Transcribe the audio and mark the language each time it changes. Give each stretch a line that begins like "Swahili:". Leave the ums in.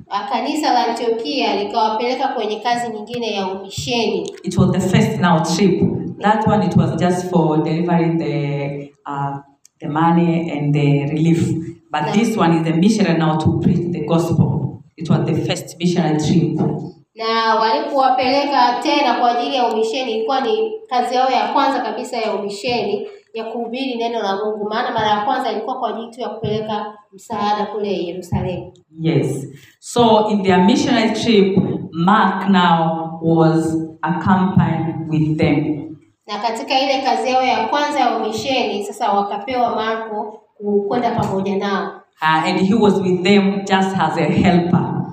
Swahili: kanisa la Antiokia likawapeleka kwenye kazi nyingine ya umisheni.
English: It was the first now trip. That one it was just for delivering the uh, the money and the relief. But na, this one is the missionary now to preach the gospel. It was the first missionary trip.
Swahili: Na walipowapeleka tena kwa ajili ya umisheni ilikuwa ni kazi yao ya kwanza kabisa ya umisheni ya kuhubiri neno la Mungu, maana mara ya kwanza ilikuwa kwa ajili tu ya kupeleka msaada kule Yerusalemu.
English: Yes. So in their missionary trip, Mark now was accompanied with them.
Swahili: Na katika ile kazi yao ya kwanza ya umisheni sasa wakapewa Marko kwenda pamoja nao.
English: Uh, and he was with them just as a helper.